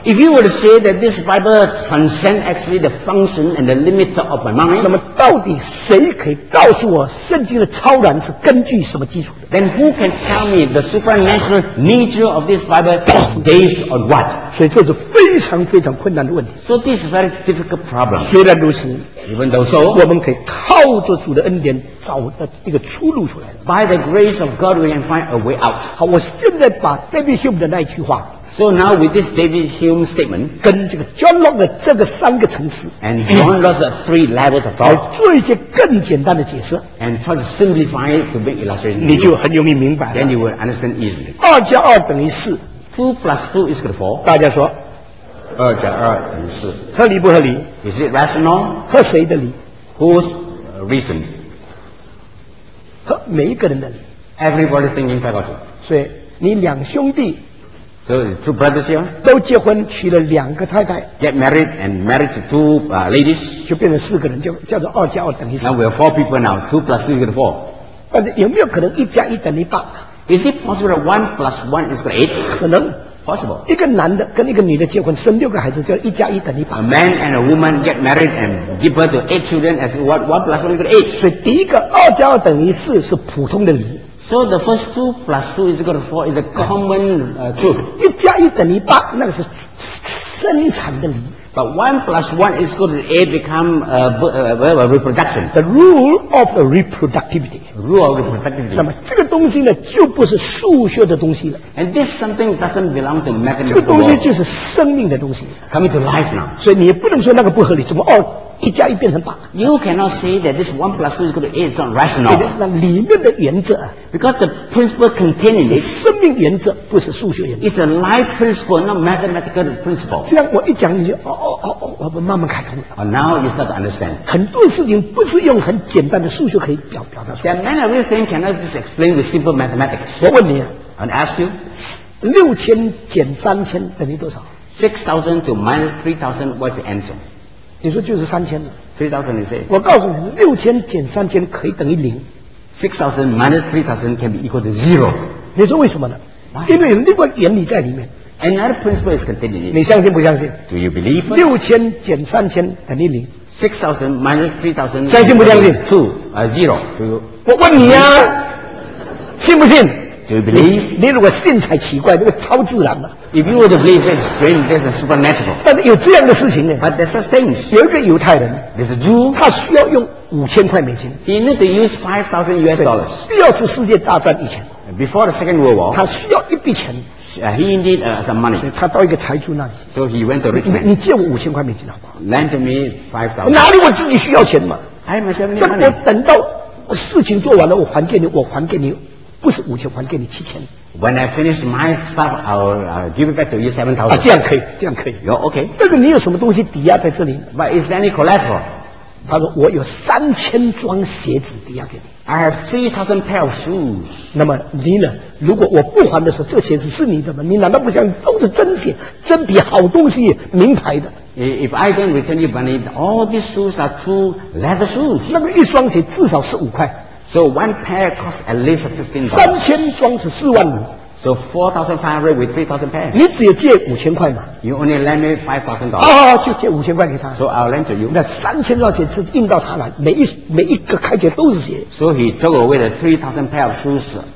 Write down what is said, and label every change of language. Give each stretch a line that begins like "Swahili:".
English: if you were to say that this Bible transcends actually the function and the limits of my mind,
Chinese: 到底谁可以告诉我圣经的超然是根据什么基础的？
English: Then who can tell me the supernatural nature of this Bible is based on what?
Chinese: 所以这是非常非常困难的问题。
English: So this is a very difficult problem.
Chinese: 虽然如此，
English: even though so,
Chinese: 我们可以靠着主的恩典找到这个出路出来。
English: By the grace of God, we can find a way out.
Chinese: 好，我现在把 David Hume 的那一句话。
English: So now with this David Hume statement,
Chinese: 跟这个 John Locke的这个三个层次，
English: and John Locke's three levels of thought,
Chinese: 来做一些更简单的解释，
English: and try to simplify it to make illustration,
Chinese: 你就很容易明白了。
English: Then you will understand easily. 2+2=4。 2 plus 2 is equal to 4.
Chinese: 大家说， 2+2=4。合理不合理？
English: Is it rational?
Chinese: 和谁的理？
English: Whose reason?
Chinese: 和每一个人的理。
English: Everybody's thinking faculty.
Chinese: 所以你两兄弟，
English: so two brothers here,
Chinese: 都结婚娶了两个太太，
English: get married and married to two ladies,
Chinese: 就变成四个人，就叫做二加二等于四。
English: Now we have four people now, 2+2=4.
Chinese: 但是有没有可能一加一等于八？
English: Is it possible that 1+1=8?
Chinese: 可能。
English: Possible.
Chinese: 一个男的跟一个女的结婚，生六个孩子，叫一加一等于八。
English: A man and a woman get married and give birth to 8 children as what 1+1=8?
Chinese: 所以第一个二加二等于四是普通的理。
English: So the first 2+2 is equal to 4 is a common truth.
Chinese: 一加一等于八， 那个是生产的理。
English: But 1+1 is equal to 8 become reproduction. The rule of reproductivity. Rule of reproductivity.
Chinese: 那么这个东西呢， 就不是数学的东西了。
English: And this something doesn't belong to mathematics.
Chinese: 这个东西就是生命的东西。
English: Coming to life now.
Chinese: 所以你也不能说那个不合理， 怎么 一加一变成八。
English: You cannot say that this 1+2 is equal to 8 is not rational.
Chinese: 那里面的原则，
English: because the principle contained in it,
Chinese: 是生命原则， 不是数学原则。
English: It's a life principle, not mathematical principle.
Chinese: 这样我一讲你就 我慢慢开通。
English: Now you start to understand.
Chinese: 很多事情不是用很简单的数学可以表达出来。
English: There are many of these things cannot just explain with simple mathematics.
Chinese: 我问你，
English: and ask you,
Chinese: 6000减3000等于多少？
English: 6000 to -3000, what's the answer?
Chinese: 你说就是3000了。
English: 3000 you say?
Chinese: 我告诉你， 6000减3000可以等于0。
English: 6000 -3000 can be equal to 0.
Chinese: 你说为什么呢？
English: Why?
Chinese: 因为有另外原理在里面。
English: Another principle is contained in it.
Chinese: 你相信不相信？
English: Do you believe?
Chinese: 6000减3000等于0。
English: 6000 -3000.
Chinese: 相信不相信？
English: 2, 0. Do you?
Chinese: 我问你啊， 信不信？
English: Do you believe?
Chinese: 你如果信才奇怪， 这个超自然的。
English: If you were to believe, that's strange, that's supernatural.
Chinese: 但是有这样的事情呢，
English: but there's such things.
Chinese: 有一个犹太人，
English: there's a Jew,
Chinese: 他需要用5000块美金。
English: He need to use $5,000.
Chinese: 第二次世界大战以前，
English: before the Second World War,
Chinese: 他需要一笔钱。
English: He indeed some money.
Chinese: 他到一个财主那里。
English: So he went to rich man.
Chinese: 你借我5000块美金好不好？
English: Lend me 5,000.
Chinese: 哪里我自己需要钱嘛？
English: I myself need money.
Chinese: 我等到事情做完了，我还给你，不是5000，还给你7000。
English: When I finish my stuff, I'll give it back to you 7,000.
Chinese: 这样可以。
English: You're okay.
Chinese: 但是你有什么东西抵押在这里？
English: But is there any collateral?
Chinese: 他说我有3000双鞋子抵押给你。
English: I have 3,000 pair of shoes.
Chinese: 那么你呢？如果我不还的时候， 这鞋子是你的吗？你难道不相信都是真鞋，真皮好东西， 名牌的？
English: If I don't return you money, all these shoes are true leather shoes.
Chinese: 那么一双鞋至少是5块。
English: So one pair costs at least $15.
Chinese: 3000双是40000。
English: So 4500 with 3000 pairs.
Chinese: 你只有借5000块嘛。
English: You only lend me $5,000.
Chinese: 哦，就借5000块给他。
English: So I'll lend to you.
Chinese: 那3000双鞋是印到他那，每一个开间都是鞋。
English: So he took away the 3000 pair of shoes.